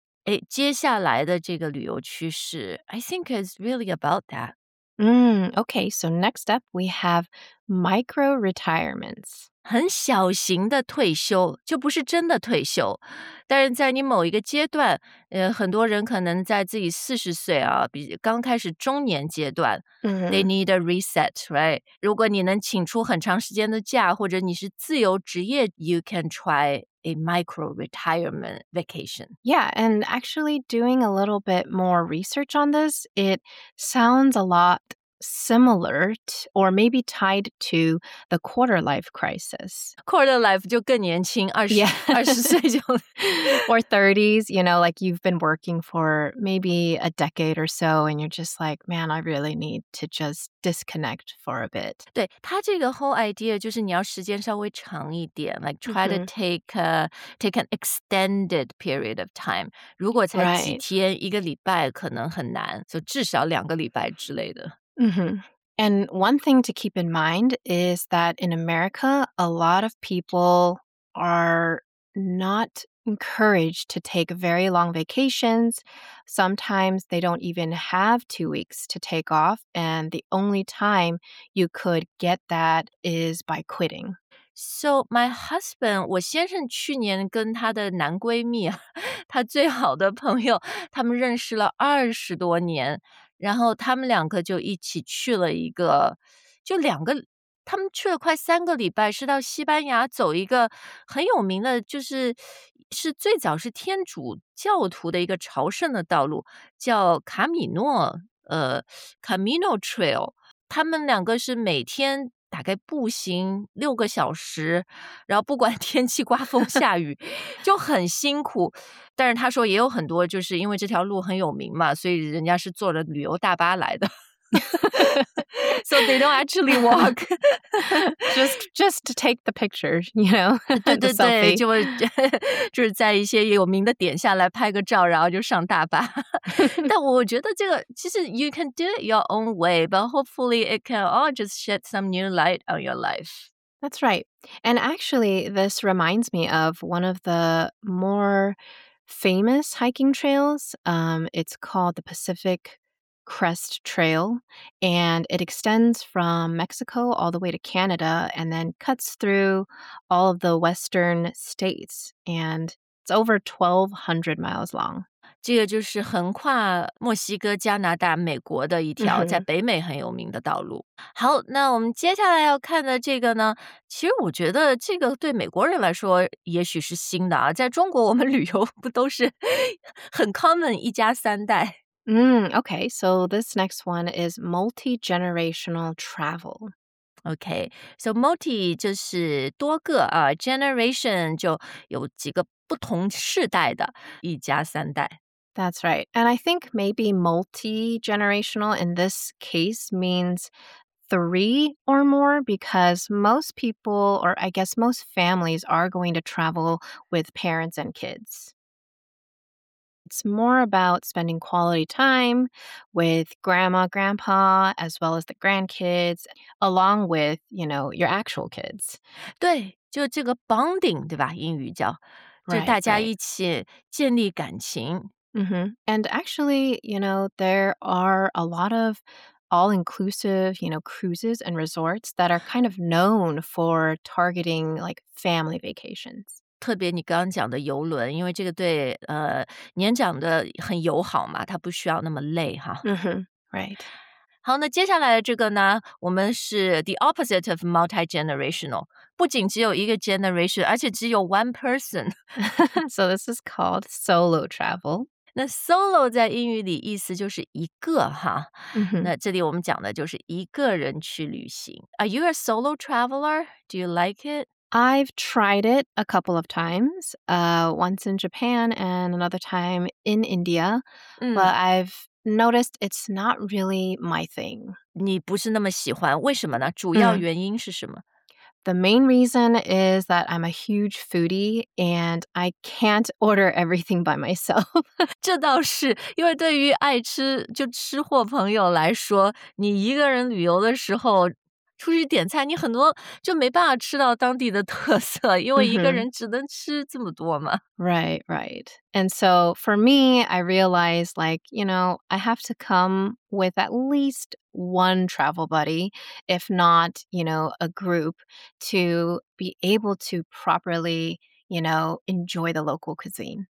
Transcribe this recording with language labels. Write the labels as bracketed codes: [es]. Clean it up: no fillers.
[zh] 哎，接下来的这个旅游趋势 ， [en] I think is really about that。 Okay, so next up we have micro retirements. [zh] 很小型的退休，就不是真的退休。但是在你某一个阶段，很多人可能在自己40岁啊，刚开始中年阶段、 mm-hmm. [en] ，they need a reset, right? [zh] 如果你能请出很长时间的假，或者你是自由职业 ， [en] you can try a micro retirement vacation. Yeah, and actually doing a little bit more research on this, it sounds a lot. Similar to, or maybe tied to the quarter life crisis. [zh] Quarter life 就更年轻，二十岁就 [en] or 30s. You know, like you've been working for maybe a decade or so, and you're just like, man, I really need to just disconnect for a bit. [zh] 对他这个 [en] whole idea [zh] 就是你要时间稍微长一点 [en] like try、mm-hmm. to take an extended period of time. [zh] 如果才几天、 [en] right. [zh] 一个礼拜可能很难，就、so、至少两个礼拜之类的。 Mm-hmm. [en] And one thing to keep in mind is that in America, a lot of people are not encouraged to take very long vacations. Sometimes they don't even have 2 weeks to take off. And the only time you could get that is by quitting. So my husband, [zh] 我先生去年跟他的男闺蜜，他最好的朋友，他们认识了20多年，然后他们两个就一起去了一个，就两个，他们去了快3个礼拜，是到西班牙走一个很有名的，就是是最早是天主教徒的一个朝圣的道路，叫卡米诺。 Camino Trail， 他们两个是每天大概步行6个小时，然后不管天气刮风下雨就很辛苦。但是他说也有很多就是因为这条路很有名嘛，所以人家是坐着旅游大巴来的。 [en] So they don't actually walk. just take the picture, you know. [zh] 对对对，就是在一些有名的点下来拍个照，然后就上大巴。但我觉得这个其实 [en] you can do it your own way, but hopefully it can all just shed some new light on your life. That's right. And actually, this reminds me of one of the more famous hiking trails. It's called the Pacific Crest Trail, and it extends from Mexico all the way to Canada and then cuts through all of the western states, and it's over 1,200 miles long. [zh] 这个就是横跨墨西哥、加拿大、美国的一条在北美很有名的道路。好，那我们接下来要看的这个呢，其实我觉得这个对美国人来说也许是新的啊，在中国我们旅游不都是很 common 一家三代。 [en] Okay, so this next one is multi-generational travel. [zh] Okay, so multi 就是多个啊 ,generation 就有几个不同世代的一家三代。 [en] That's right. And I think maybe multi-generational in this case means three or more, because most people, or I guess most families, are going to travel with parents and kids. It's more about spending quality time with grandma, grandpa, as well as the grandkids, along with, you know, your actual kids. [zh] 对，就这个 bonding, 对吧？英语叫，就大家一起建立感情。 Mm-hmm. [en] And actually, you know, there are a lot of all-inclusive, you know, cruises and resorts that are kind of known for targeting, like, family vacations. [zh] 特别你刚刚讲的游轮，因为这个对年长的很友好嘛，他不需要那么累哈。 [en] Right. [zh] 好，那接下来这个呢，我们是 [en] the opposite of multi-generational， [zh] 不仅只有一个 generation， 而且只有 [en] one person. So this is called solo travel. [zh] 那 solo 在英语里意思就是一个哈。那这里我们讲的就是一个人去旅行。 [en] Are you a solo traveler? Do you like it? I've tried it a couple of times, once in Japan and another time in India, but I've noticed it's not really my thing. [zh] 你不是那么喜欢，为什么呢？主要原因是什么？ [en] The main reason is that I'm a huge foodie and I can't order everything by myself. [zh] 这倒是，因为对于爱吃，就吃货朋友来说，你一个人旅游的时候出去点菜，你很多就没办法吃到当地的特色，因为一个人只能吃这么多嘛。 [en] Right, right. And so for me, I realized, like, you know, I have to come with at least one travel buddy, if not, you know, a group, to be able to properly, you know, enjoy the local cuisine.